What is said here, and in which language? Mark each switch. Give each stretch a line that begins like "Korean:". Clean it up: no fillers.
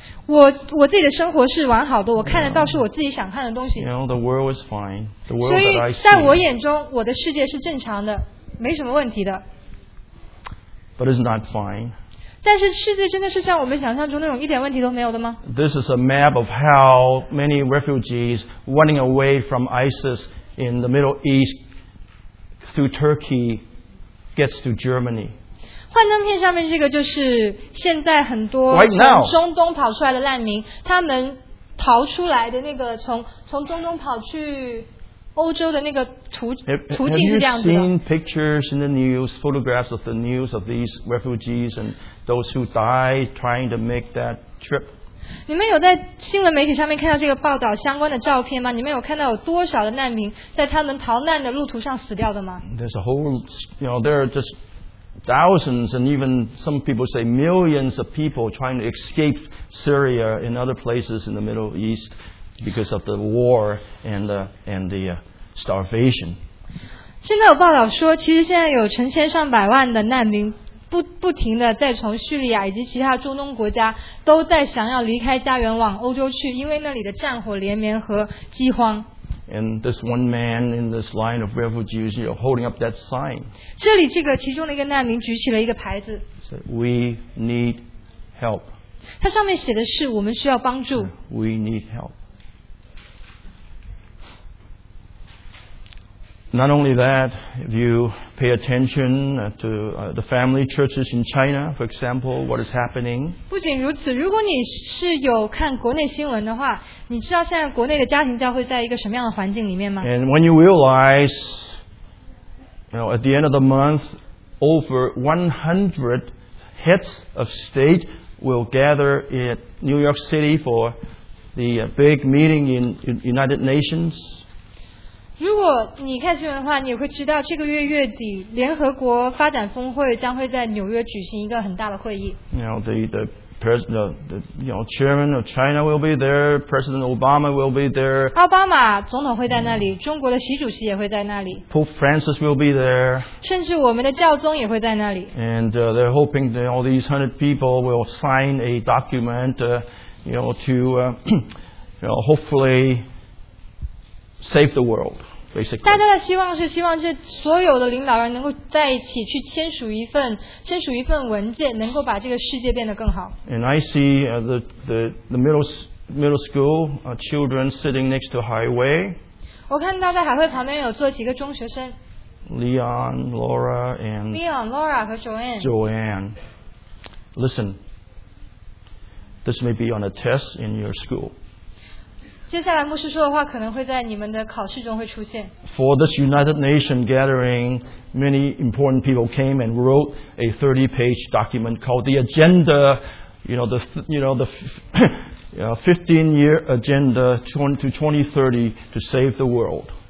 Chinese: 我自己的生活是完好的，我看得到是我自己想看的东西。
English: You know, the world is fine. The world that I see.
Chinese: 所以，在我眼中，我的世界是正常的，没什么问题的。
English: But it's not fine.
Chinese: 但是世界真的是像我们想象中那种一点问题都没有的吗
English: ？This is a map of how many refugees running away from ISIS in the Middle East through Turkey gets to Germany.
Chinese: 幻灯片上面这个就是现在很多从中东跑出来的难民，他们逃出来的那个从中东跑去欧洲的那个途径是这样子的。 Have you seen pictures in the news, photographs of the news of these refugees and those who die trying to make that trip? 你们有在新闻媒体上面看到这个报道相关的照片吗？你们有看到有多少的难民在他们逃难的路途上死掉的吗
English: ？There's a whole, you know, there are just thousands and even some people say millions of people trying to escape Syria and other places in the Middle East. Because of the war and the starvation.
Chinese: 现在有报道说，其实现在有成千上百万的难民不停的在从叙利亚以及其他中东国家都在想要离开家园往欧洲去，因为那里的战火连绵和饥荒。
English: And this one man in this line of refugees, you're holding up that sign.
Chinese: 这里这个其中的一个难民举起了一个牌子。
English: We need help.
Chinese: 它上面写的是我们需要帮助。
English: We need help. Not only that, if you pay attention to the family churches in China, for example, what is happening?
Chinese: 不仅如此，如果你是有看国内新闻的话，你知道现在国内的家庭教会在一个什么样的环境里面吗？
English: And when you realize, you know, at the end of the month, over 100 heads of state will gather in New York City for the big meeting in United Nations.
Chinese: 如果你看新闻的话，你也会知道这个月月底联合国发展峰会将会在纽约举行一个很大的会议。
English: Now the president, the chairman of China will be there. President Obama will be there.
Chinese: 奥巴马总统会在那里，中国的习主席也会在那里。
English: Pope Francis will be there.
Chinese: 甚至我们的教宗也会在那里。
English: And they're hoping that all these 100 people will sign a document, hopefully. Save the world, basically.
Chinese: 大家的希望是希望这所有的领导人能够在一起去签署一份文件，能够把这个世界变得更好。
English: And I see the middle school children sitting next to Highway.
Chinese: 我看到在海会旁边有坐几个中学生。
English: Leon, Laura, and
Chinese: Leon, Laura 和 Joanne.
English: Joanne, listen. This may be on a test in your school.
Chinese: 接下来牧师说的话可能会在你们的考试中会出现。
English: For this United Nations gathering, many important people came and wrote a 30-page document called the Agenda, the 15-year Agenda to 2030 to save the world.